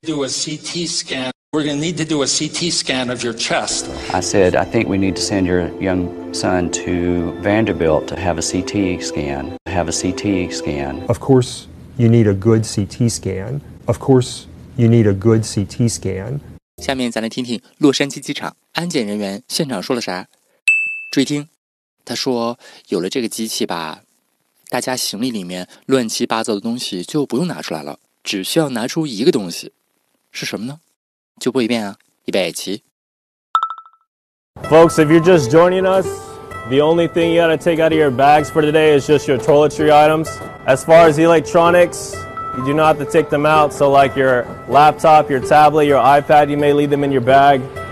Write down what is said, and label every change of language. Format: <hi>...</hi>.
<en>Do a CT scan. We're going to need to do a CT scan of your chest. I said, I think we need to send your young son to Vanderbilt to have a CT scan. Have a CT scan. Of course, you need a good CT scan. Of course, you need a good CT scan.</en> <zh>下面咱来听听洛杉矶机场安检人员现场说了啥。注意听，他说有了这个机器吧，大家行李里面乱七八糟的东西就不用拿出来了，只需要拿出一个东西。是什么呢？就播一遍啊，预备起。</zh> <en>Folks, if you're just joining us, the only thing you gotta take out of your bags for today is just your toiletry items. As far as electronics, you do not have to take them out. So, like your laptop, your tablet, your iPad, you may leave them in your bag.</en>